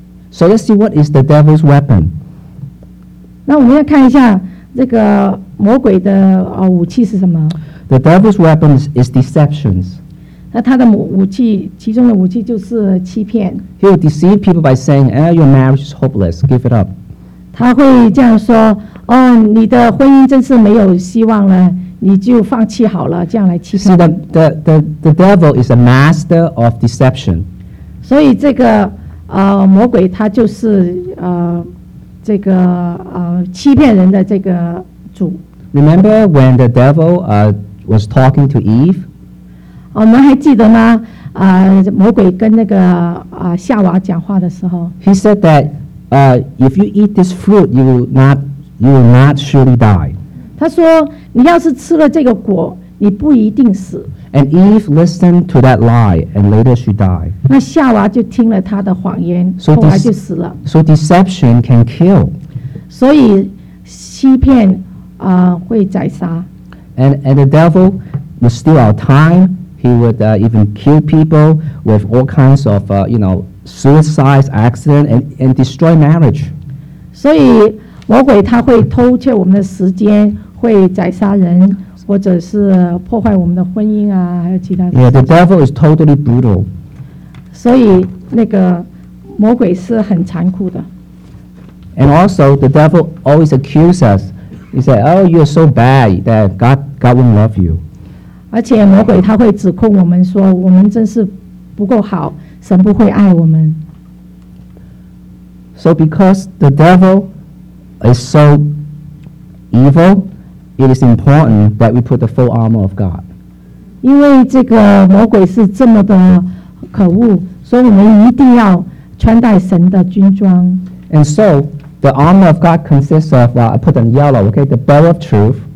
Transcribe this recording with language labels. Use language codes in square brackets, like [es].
[en] So let's see what is the devil's weapon. [zh] 那我们要看一下这个魔鬼的、武器是什么。 [en] The devil's weapon is deceptions. [zh] 那他的武器，其中的武器就是欺骗。 [en] He will deceive people by saying, "Ah,、your marriage is hopeless. Give it up." [zh] 他会这样说：“哦，你的婚姻真是没有希望了，你就放弃好了，这样来欺骗。” [en] See, the devil is a master of deception. [zh] 所以这个魔鬼他就是这个欺骗人的这个主。 [en] Remember when the devil was talking to Eve? [zh] 我们还记得吗？魔鬼跟那个夏娃讲话的时候。 [en] He said that, if you eat this fruit, you will not surely die. [zh] 他说，你要是吃了这个果，你不一定死。 [en] And Eve listened to that lie, and later she died. [zh] 那夏娃就听了他的谎言，后来就死了。 [en] So deception can kill. [zh] 所以欺骗。会宰杀。 [en] And the devil would steal our time. He would even kill people with all kinds of suicide accident and destroy marriage. [zh] 所以魔鬼他会偷窃我们的时间，会宰杀人，或者是破坏我们的婚姻啊，还有其他。 [en] Yeah, the devil is totally brutal. [zh] 所以那个魔鬼是很残酷的。 [en] And also the devil always accuses us. He said, "Oh, you're so bad that God won't love you." [zh] 而且魔鬼他会指控我们说，我们真是不够好，神不会爱我们。 [en] So because the devil is so evil, it is important that we put the full armor of God. [zh] 因为这个魔鬼是这么的可恶，所以我们一定要穿戴神的军装。 [en] And so,The armor of God consists of, I put in yellow, okay, the belt of truth.